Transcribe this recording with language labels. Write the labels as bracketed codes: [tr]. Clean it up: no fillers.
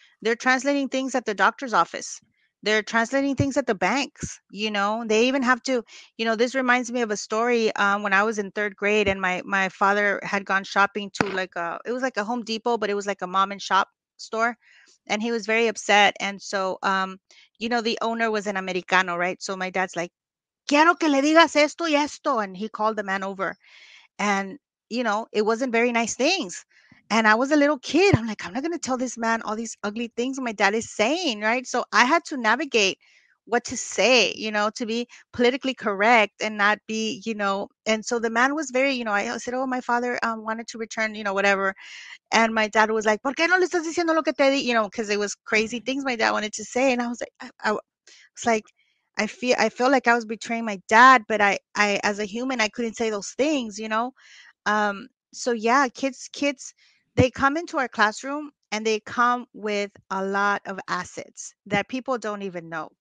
[en] They're translating things at the doctor's office. They're translating things at the banks. You know, they even have to, you know, this reminds me of a story when I was in third grade, and my father had gone shopping to it was like a Home Depot, but it was like a mom and shop store. And he was very upset. And so, you know, the owner was an Americano, right? So my dad's like, [es] quiero que le digas esto y esto. [en] And he called the man over, and, you know, it wasn't very nice things. And I was a little kid. I'm like, I'm not going to tell this man all these ugly things my dad is saying, right? So I had to navigate what to say, you know, to be politically correct and not be, you know. And so the man was very, you know, I said, oh, my father wanted to return, you know, whatever. And my dad was like, [es] ¿por qué no le estás diciendo lo que te di? [en] You know, because it was crazy things my dad wanted to say. And I was like, I feel like I was betraying my dad, but I, as a human, I couldn't say those things, you know? So yeah, kids, they come into our classroom and they come with a lot of assets that people don't even know.